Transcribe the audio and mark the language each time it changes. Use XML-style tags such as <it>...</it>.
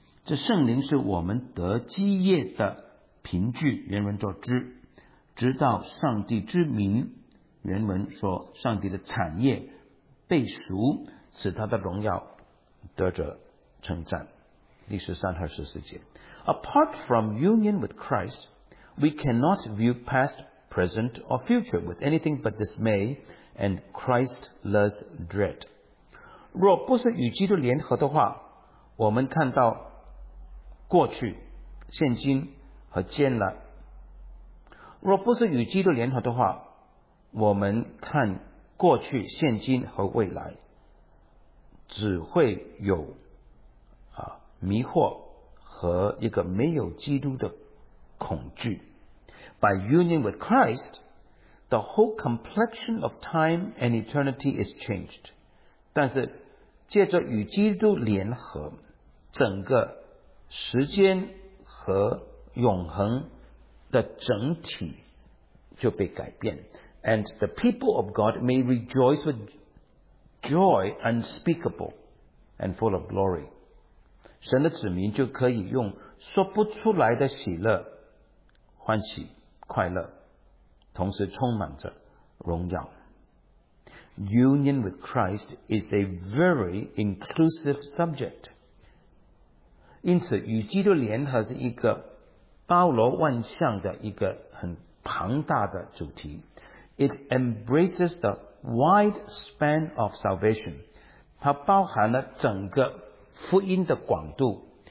<zh>这圣灵是我们得基业的凭据，原文作之，直到上帝之名，原文说上帝的产业被赎，使他的荣耀得着称赞。 13-14节。</zh> <en>Apart from union with Christ, we cannot view past, present or future with anything but dismay and Christless dread.</en> <zh>若不是与基督联合的话，我们看到过去、现今和将来。若不是与基督联合的话，我们看过去、现今和未来，只会有迷惑和一个没有基督的恐惧。</zh> <en>By union with Christ, the whole complexion of time and eternity is changed.</en> <zh>但是借着与基督联合，整个时间和永恒的整体就被改变。</zh> <en>And the people of God may rejoice with joy unspeakable and full of glory.</en> <zh>神的子民就可以用说不出来的喜乐、欢喜、快乐，同时充满着荣耀。</zh> <en>Union with Christ is a very inclusive subject.</en> <zh>因此与基督联合是一个包罗万象的一个很庞大的主题。</zh> <en>It embraces the wide span of salvation.</en> <zh>它包含了整个福音的广度。</zh>